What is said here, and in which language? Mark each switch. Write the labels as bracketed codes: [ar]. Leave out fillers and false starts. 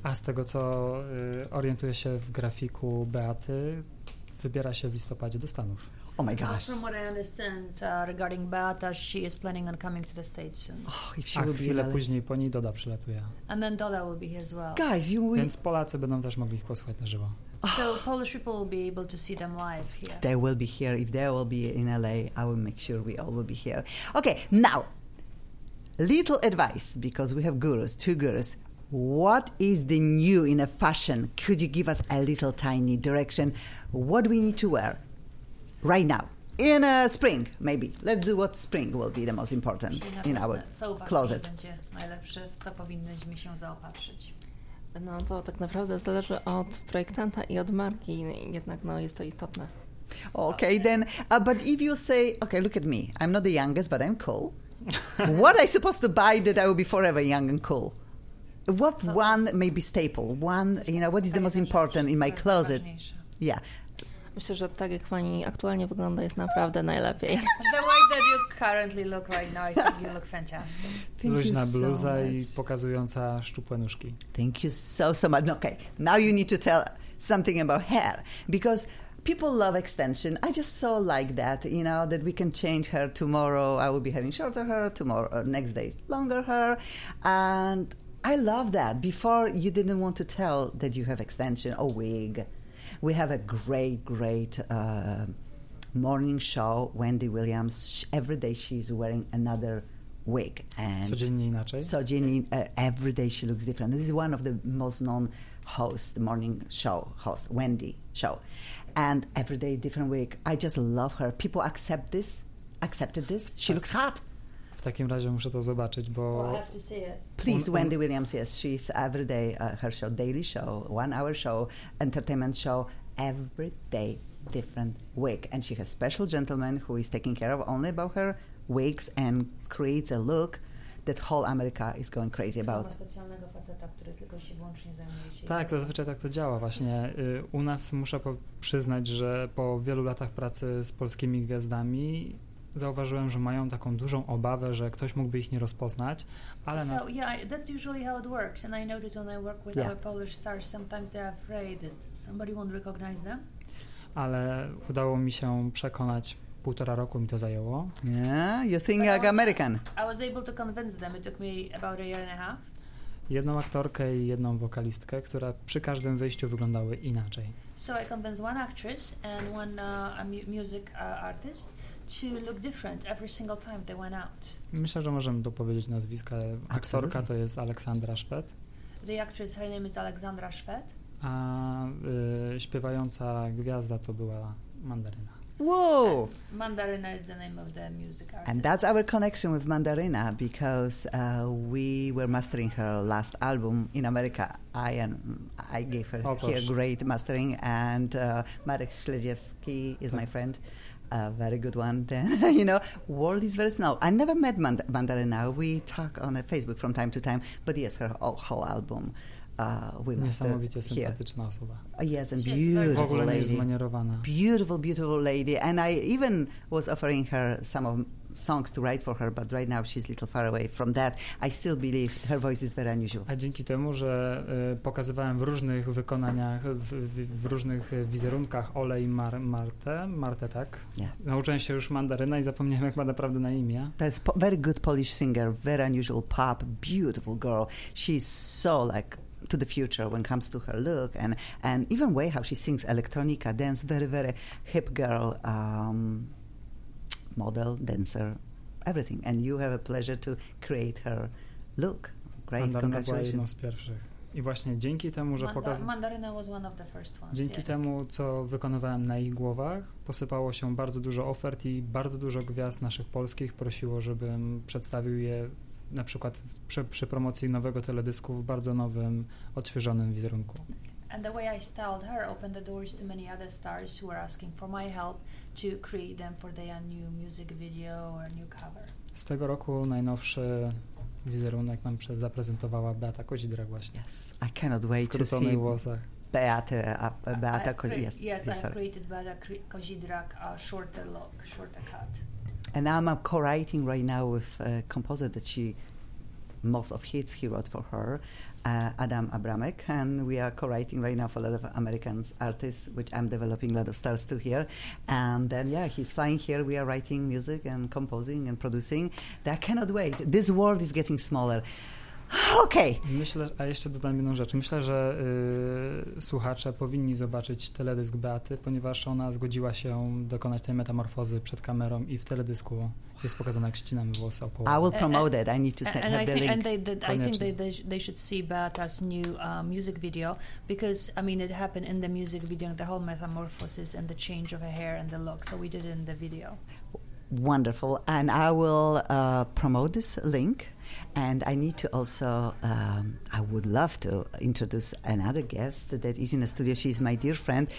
[pl] A z tego co orientuję się w grafiku Beaty, wybiera się w listopadzie do Stanów. [en] Oh my gosh. From what I understand regarding Beata, she is planning on coming to the States soon. Oh, if she will be [pl] chwilę później po niej Doda przylatuje. [en] And then Doda will be here as well. Guys, [pl] Więc Polacy będą też mogli ich posłuchać na żywo. [en] So Polish people will be able to see them live here. They will be here. If they will be in LA, I will make sure we all will be here. Okay, now, little advice, because we have gurus, 2 gurus. What is the new in a fashion? Could you give us a little tiny direction? What do we need to wear? Right now, in spring, maybe. Let's do what spring will be the most important in our closet. [pl] Będzie najlepsze, w co powinniśmy się zaopatrzyć? No to tak naprawdę zależy od projektanta i od marki, jednak no jest to istotne. [en] Okay, then, but if you say, okay, look at me, I'm not the youngest, but I'm cool. What am I supposed to buy that I will be forever young and cool? What one maybe staple? One, you know, what is the most important in my closet? Yeah. [pl] Myślę, że tak jak pani aktualnie wygląda, jest naprawdę najlepiej. [en] The way that you currently look right now, I think you look fantastic. [pl] Luźna bluza i pokazująca szczupłe nóżki. [en] Thank you so much. Okay, now you need to tell something about hair, because people love extension. I just so like that, you know, that we can change hair tomorrow. I will be having shorter hair tomorrow, or next day longer hair, and I love that. Before you didn't want to tell that you have extension or wig. We have a great morning show, Wendy Williams. Every day she's wearing another wig. And [pl] codziennie inaczej? Codziennie, [en] every day she looks different. This is one of the most known hosts, morning show host, Wendy show. And every day different wig. I just love her. People accepted this. She looks hot. [pl] W takim razie muszę to zobaczyć, bo... [en] We'll have to see it. Please, Wendy Williams, yes, she's every day, her show, daily show, 1 hour show, entertainment show, every day different wig. And she has special gentleman who is taking care of only about her wigs and creates a look. that whole America is going crazy about. [pl] Specjalnego faceta, który tylko się wyłącznie zajmuje się. Tak, zazwyczaj tak to działa właśnie. U nas muszę przyznać, że po wielu latach pracy z polskimi gwiazdami zauważyłem, że mają taką dużą obawę, że ktoś mógłby ich nie rozpoznać, ale [en] so, yeah, that's usually how it works. And I notice when I work with our Polish stars, sometimes they're afraid that somebody won't recognize them. [pl] Ale udało mi się przekonać, półtora roku mi to zajęło. [en] Yeah, you think like American. I was able to convince them. It took me about a year and a half. [pl] Jedną aktorkę i jedną wokalistkę, która przy każdym wyjściu wyglądały inaczej. [en] So I convinced one actress and one music artist. To look different every single time they went out. [pl] Myślę, że możemy dopowiedzieć nazwiska. Aktorka to jest Aleksandra Szwed. [en] The actress, her name is Aleksandra Szwed. [pl] A śpiewająca gwiazda to była Mandaryna. [en] Whoa! And Mandaryna is the name of the music artist. And that's our connection with Mandaryna, because we were mastering her last album in America. I gave her here great mastering, and Marek Śledziewski is my friend. A very good one then. You know, world is very small. I never met Mandaryna. We talk on Facebook from time to time, but yes, her whole album we mastered here. [pl] Sympatyczna osoba. [en] Yes, and beautiful lady. Beautiful, beautiful lady. And I even was offering her some of songs to write for her, but right now she's a little far away from that. I still believe her voice is very unusual. [pl] A dzięki temu, że pokazywałem w różnych wykonaniach, w różnych wizerunkach Ole i Martę, tak? [en] Yeah. [pl] Nauczyłem się już Mandaryna i zapomniałem, jak ma naprawdę na imię. To jest [en] very good Polish singer, very unusual pop, beautiful girl. She's so like to the future when it comes to her look and even way how she sings electronica, dance, very, very hip girl. Model, dancer, everything. And you have a pleasure to create her look. Great, Mandaryna congratulations. [pl] Była jedną z pierwszych. I właśnie dzięki temu, że [en] Mandaryna was one of the first ones. [pl] Dzięki temu, co wykonywałem na ich głowach, posypało się bardzo dużo ofert i bardzo dużo gwiazd naszych polskich prosiło, żebym przedstawił je na przykład przy promocji nowego teledysku w bardzo nowym, odświeżonym wizerunku. [en] And the way I styled her opened the doors to many other stars who were asking for my help to create them for their new music video or new cover. [pl] Z tego roku najnowszy wizerunek nam zaprezentowała Beata Kozidra właśnie. [en] Yes, I cannot wait to see [pl] włosach. [en] Beata Kozidra. Yes, yes, yes, I created Beata Kozidra a shorter look, shorter cut. And I'm co-writing right now with a composer that she, most of hits he wrote for her. Adam Abramek, and we are co-writing right now for a lot of American artists, which I'm developing a lot of stars to here. And then, yeah, he's flying here. We are writing music and composing and producing. I cannot wait. This world is getting smaller. Okay. [pl] Myślę, a jeszcze dodam jedną rzecz. Myślę, że słuchacze powinni zobaczyć teledysk Beaty, ponieważ ona zgodziła się dokonać tej metamorfozy przed kamerą i w teledysku jest pokazana, jak ścinamy włosy o połowę. [en] I will promote it. I need to send and her I the think, link. And I think they should see Beata's new music video, because I mean it happened in the music video, the whole metamorphosis and the change of her hair and the look. So we did it in the video. Wonderful. And I will promote this link. And I need to also, I would love to introduce another guest that is in the studio. She is my dear friend.